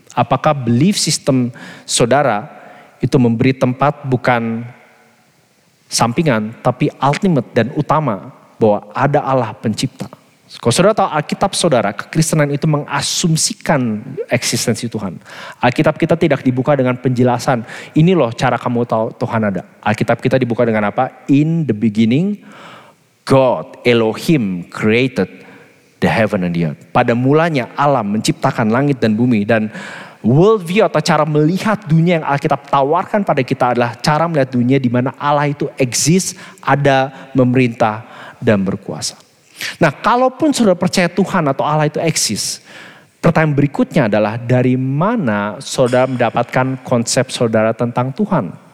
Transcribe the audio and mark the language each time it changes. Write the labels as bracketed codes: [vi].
[id] Apakah [en] belief system [id] saudara itu memberi tempat bukan sampingan, tapi ultimate dan utama, bahwa ada Allah pencipta. Kalau saudara tahu Alkitab saudara, kekristenan itu mengasumsikan eksistensi Tuhan. Alkitab kita tidak dibuka dengan penjelasan, ini loh cara kamu tahu Tuhan ada. Alkitab kita dibuka dengan apa? [en] In the beginning, God, Elohim created the heaven and the earth. [id] Pada mulanya Allah menciptakan langit dan bumi. Dan worldview atau cara melihat dunia yang Alkitab tawarkan pada kita adalah cara melihat dunia di mana Allah itu exist, ada, memerintah, dan berkuasa. Nah, kalaupun saudara percaya Tuhan atau Allah itu eksis, pertanyaan berikutnya adalah dari mana saudara mendapatkan konsep saudara tentang Tuhan?